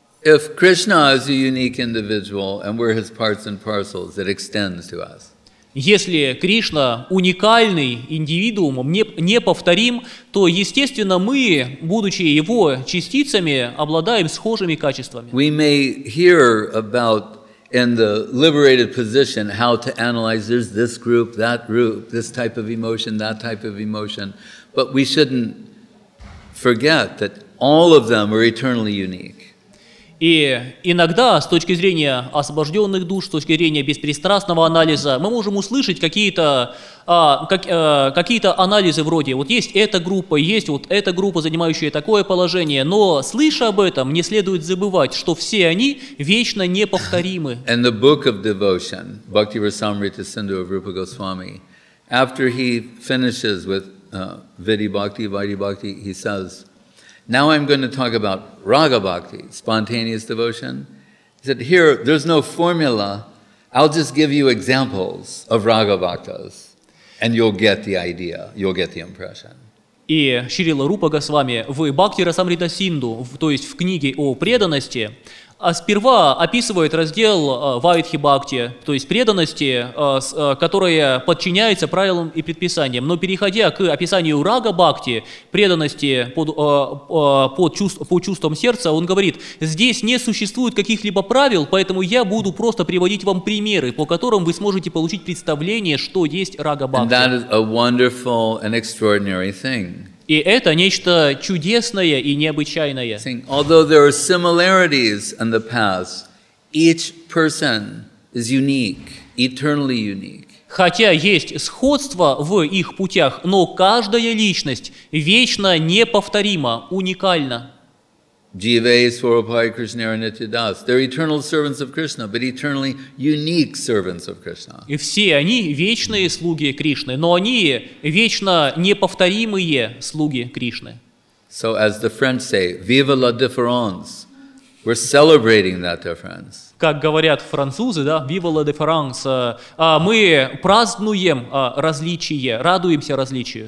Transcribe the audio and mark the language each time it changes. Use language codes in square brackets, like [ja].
[en] If Krishna is a unique individual and we're his parts and parcels, it extends to us. [ru] Если Кришна уникальный индивидуум, неповторим, то, естественно, мы, будучи его частицами, обладаем схожими качествами. [en] We may hear about in the liberated position how to analyze there's this group, this type of emotion, that type of emotion, but we shouldn't forget that all of them are eternally unique. [ru] И иногда, с точки зрения освобожденных душ, с точки зрения беспристрастного анализа, мы можем услышать какие-то анализы вроде «вот есть эта группа, есть вот эта группа, занимающая такое положение», но, слыша об этом, не следует забывать, что все они вечно неповторимы. [en] In the book of devotion, Bhakti Rasamrita Sindhu of Rupa Goswami, after he finishes with Vidhi Bhakti, he says, now I'm going to talk about raga bhakti, spontaneous devotion. He said, here, there's no formula. I'll just give you examples of raga bhaktas, and you'll get the idea, you'll get the impression. [ru] И Шрила Рупа Госвами в Бхакти Расамрита Синду, то есть в книге о преданности, сперва описывает раздел Вайдхи Бхакти, то есть преданности, которая подчиняется правилам и предписаниям. Но переходя к описанию Рага Бхакти, преданности по чувствам сердца, он говорит, здесь не существует каких-либо правил, поэтому я буду просто приводить вам примеры, по которым вы сможете получить представление, что есть Рага Бхакти. И это нечто чудесное и необычайное. [en] Although there are similarities in the past, each person is unique, eternally unique. [ru] Хотя есть сходство в их путях, но каждая личность вечно неповторима, уникальна. [bn] Jivai, Swarupai, Krishna, Nitya Das. [en] They're eternal servants of Krishna, but eternally unique servants of Krishna. [ru] И все они вечные слуги Кришны, но они вечно неповторимые слуги Кришны. [en] So as the French say, [fr] vive la différence. [en] We're celebrating that difference. [ru] Как говорят французы, да, [fr] vive la différence. [ru] Мы празднуем различие, радуемся различию.